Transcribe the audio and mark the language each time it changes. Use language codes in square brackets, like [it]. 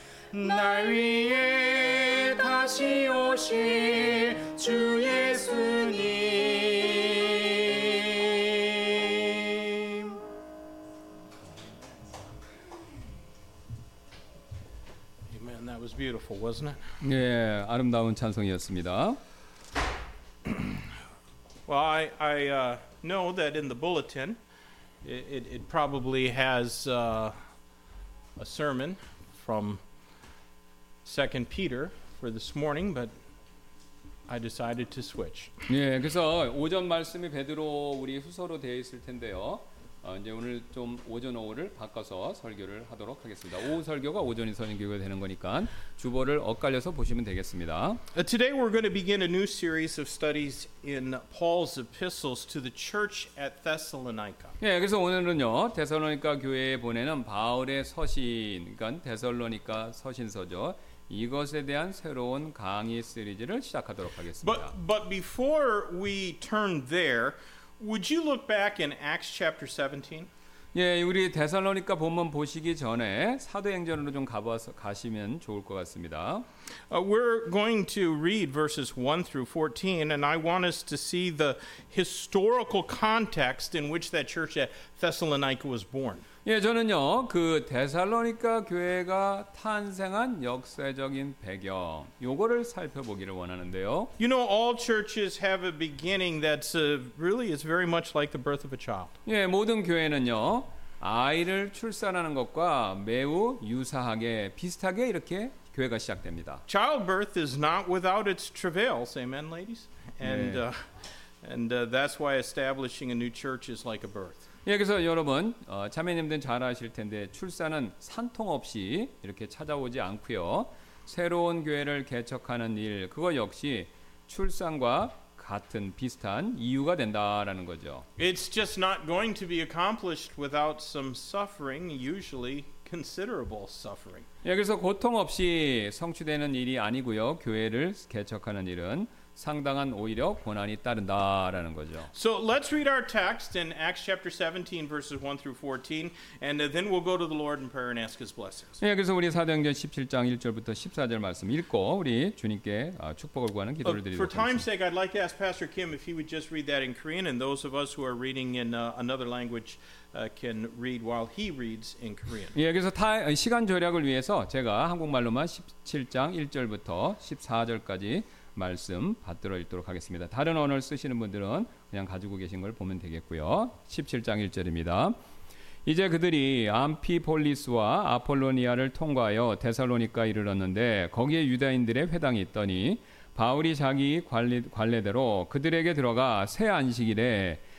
[ko] 날 위해 다시 오실 주 예수님 [en] Amen, that was beautiful, wasn't it? [ko] 네, 아름다운 찬송이었습니다. [en] Well, I know that in the bulletin, it probably has a sermon from 2 Peter for this morning, but I decided to switch. [ko] 네, 그래서 오전 말씀이 베드로 우리 후서로 되어 있을 텐데요. 이제 오늘 좀 오전 오후를 바꿔서 설교를 하도록 하겠습니다. 오후 설교가 오전이 설교가 되는 거니까 주보를 엇갈려서 보시면 되겠습니다. [en] Today we're going to begin a new series of studies in Paul's epistles to the church at Thessalonica. [ko] 예, 그래서 오늘은요. 데살로니가 교회에 보내는 바울의 서신, 그러니까 데살로니가 서신서죠. 이것에 대한 새로운 강의 시리즈를 시작하도록 하겠습니다. [en] But before we turn there, Would you look back in Acts chapter 17? [ko] 예, 우리 데살로니가 본문 보시기 전에 사도행전으로 좀 가시면 좋을 것 같습니다. [en] We're going to read verses 1 through 14 and I want us to see the historical context in which that church at Thessalonica was born. [ko] 예, 저는요. 그 데살로니가 교회가 탄생한 역사적인 배경 요거를 살펴보기를 원하는데요. [en] You know all churches have a beginning that's really is very much like the birth of a child. [ko] 예, 모든 교회는요. 아이를 출산하는 것과 매우 유사하게 비슷하게 이렇게 교회가 시작됩니다. [en] Childbirth is not without its travails. Amen, ladies. And 예. That's why establishing a new church is like a birth. [ko] 예, 그래서 여러분, 자매님들 잘 아실 텐데 출산은 산통 없이 이렇게 찾아오지 않고요. 새로운 교회를 개척하는 일, 그거 역시 출산과 같은 비슷한 이유가 된다라는 거죠. [en] It's just not going to be accomplished without some suffering, usually considerable suffering. [ko] 예, 그래서 고통 없이 성취되는 일이 아니고요. 교회를 개척하는 일은 상당한 오히려 고난이 따른다라는 거죠. [en] So let's read our text in Acts chapter 17 verses 1 through 14 and then we'll go to the Lord in prayer and ask his blessings. [ko] 예, 그래서 우리 사도행전 17장 1절부터 14절 말씀 읽고 우리 주님께 축복을 구하는 기도를 드리도록 하겠습니다. [en] For time's sake, I'd like to ask Pastor Kim if he would just read that in Korean and those of us who are reading in another language can read while he reads in Korean. [ko] 예, 그래서 시간 절약을 위해서 제가 한국말로만 17장 1절부터 14절까지 말씀 받들어 읽도록 하겠습니다. 다른 언어를 쓰시는 분들은 그냥 가지고 계신 걸 보면 되겠고요. 17장 1절입니다. 이제 그들이 암피폴리스와 아폴로니아를 통과하여 데살로니가에 이르렀는데 거기에 유대인들의 회당이 있더니 바울이 자기 관례대로 그들에게 들어가 새 안식일에